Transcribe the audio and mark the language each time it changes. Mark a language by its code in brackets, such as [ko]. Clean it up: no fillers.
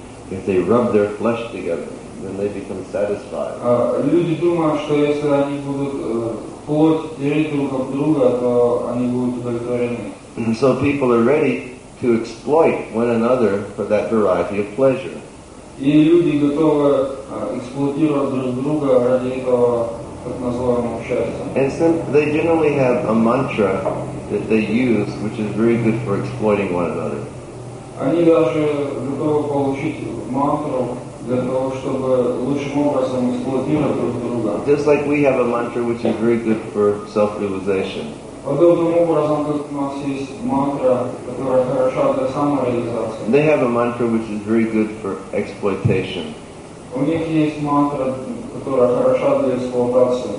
[en] If they rub their flesh together, then they become satisfied. [ru] Люди думают, что если они будут плоть тереть друг об друга, то они будут удовлетворены. [en] And so people are ready to exploit one another for that variety of pleasure. [ru] И люди готовы эксплуатировать друг друга ради этого так называемого счастья. [en] And some, they generally have a mantra that they use, which is very good for exploiting one another. [ru] Они даже готовы получить мантру для того, чтобы лучшим образом эксплуатировать друг друга. [en] Just like we have a mantra which is very good for self-realization. [ru] Подобным образом, как у нас есть мантра, которая хороша для самореализации. [en] They have a mantra which is very good for exploitation. [ru] У них есть мантра, которая хороша для эксплуатации.